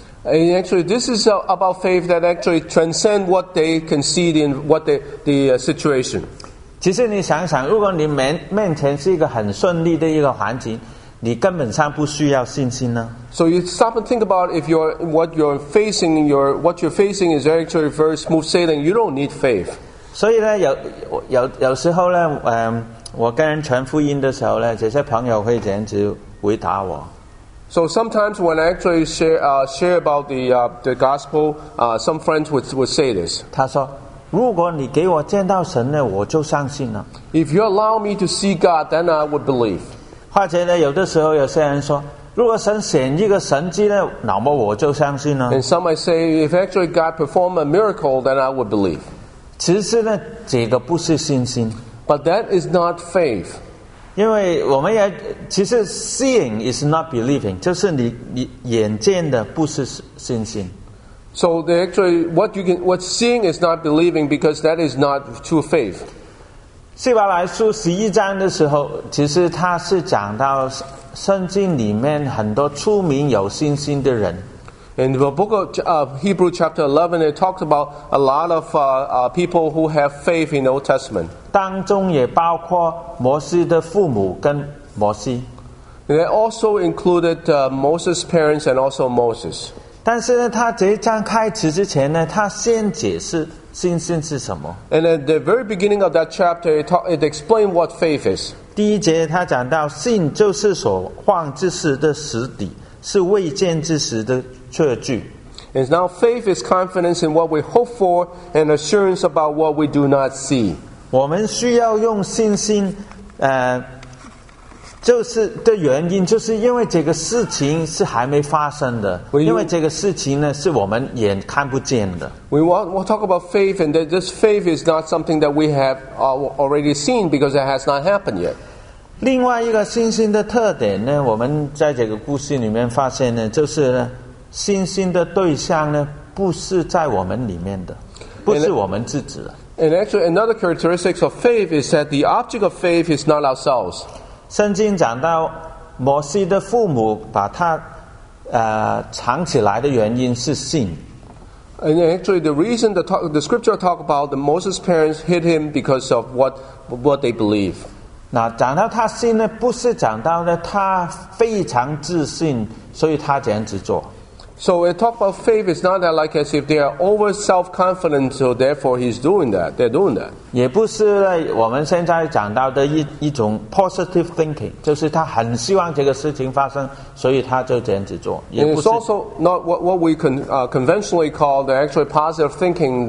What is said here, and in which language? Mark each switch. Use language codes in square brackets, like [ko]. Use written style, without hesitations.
[en] And actually, this is about faith that actually transcends what they can see in what the situation. [zh] 其实你想想，如果你面前是一个很顺利的一个环境，你根本上不需要信心呢。 [en] So you stop and think about if what you're facing is actually very smooth sailing. You don't need faith. [zh] 所以呢，有时候呢，我跟人传福音的时候呢，这些朋友会简直回答我。 [en] So sometimes when I actually share about the gospel, some friends would say this. [zh] 他说，如果你给我见到神呢，我就相信了。 [en] If you allow me to see God, then I would believe. [zh] 或者呢，有的时候有些人说，如果神显一个神迹呢，那么我就相信了。 [en] And some might say, if actually God performed a miracle, then I would believe. [zh] 其实呢，这个不是信心。 [en] But that is not faith. [zh] 因为我们也其实 [en] seeing is not believing， [zh] 就是你眼见的不是信心。 [en] So the actually what seeing is not believing because that is not true faith。 [zh] 希伯来书十一章的时候，其实他是讲到圣经里面很多出名有信心的人。 [en] In the book of Hebrew chapter 11, it talks about a lot of people who have faith in the Old Testament. [zh] 当中也包括摩西的父母跟摩西。 [en] It also included Moses' parents and also Moses. [zh] 但是呢，他这一章开始之前呢，他先解释信心是什么。 [en] And at the very beginning of that chapter, it explained what faith is. [zh] 第一节他讲到信就是所望之事的实底，是未见之时的确据。 [en] And now faith is confidence in what we hope for and assurance about what we do not see. [zh] 我们需要用信心，就是的原因，就是因为这个事情是还没发生的。因为这个事情呢，是我们眼看不见的。 [en] We'll talk about faith, and that this faith is not something that we have already seen because it has not happened yet. [zh] 另外一个信心的特点呢，我们在这个故事里面发现呢，就是呢信心的对象呢不是在我们里面的，不是我们自己的。 [en] And actually, another characteristic of faith is that the object of faith is not ourselves. [zh] 圣经讲到摩西的父母把他藏起来的原因是信。 [en] And actually, the reason the scripture talk about the Moses' parents hid him because of what they believe. [zh] 那讲到他信呢，不是讲到呢他非常自信，所以他这样子做。 [en] So we talk about faith is not that like as if they are over self-confident, so therefore he's doing that. They're doing that. [zh] 也不是我们现在讲到的一种 positive thinking, 就是他很希望这个事情发生，所以他就这样子做。 [en] And it's also not what we can conventionally call the actually positive thinking.